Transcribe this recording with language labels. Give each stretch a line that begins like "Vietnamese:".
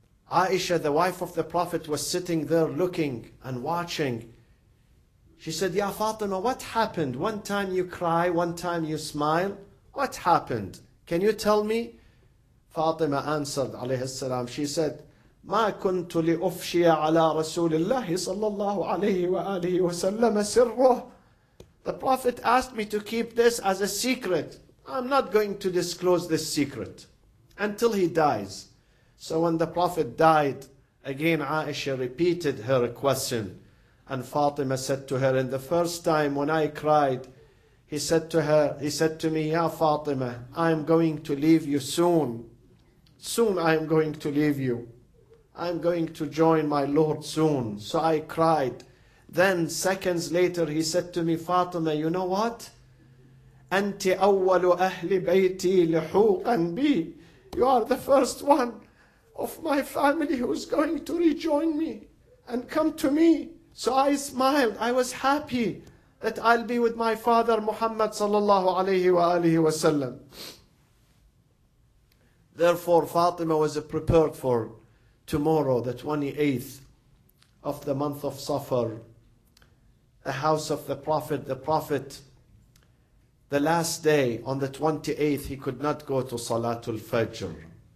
English: Aisha, the wife of the Prophet, was sitting there looking and watching. She said, Ya Fatima, what happened? One time you cry, one time you smile, What happened? Can you tell me? Fatima answered, عليه السلام. She said,
Arabic: ما كنت لأفشي على رسول الله صلى الله عليه وآله وسلم سره.
English: The Prophet asked me to keep this as a secret. I'm not going to disclose this secret until he dies. So when the Prophet died, again Aisha repeated her question. And Fatima said to her, in the first time when I cried, he said to me, Ya Fatima, I'm going to leave you soon. Soon I am going to leave you. I'm going to join my Lord soon. So I cried. Then seconds later, he said to me, Fatima, you know what?
Arabic: أنتِ أول أهل بيتي لحوقاً بي.
English: You are the first one of my family who's going to rejoin me and come to me. So I smiled. I was happy that I'll be with my father Muhammad sallallahu alayhi wa alihi wa sallam. Therefore, Fatima was prepared for tomorrow, the 28th of the month of Safar, the house of the Prophet, the last day on the 28th, he could not go to Salatul Fajr.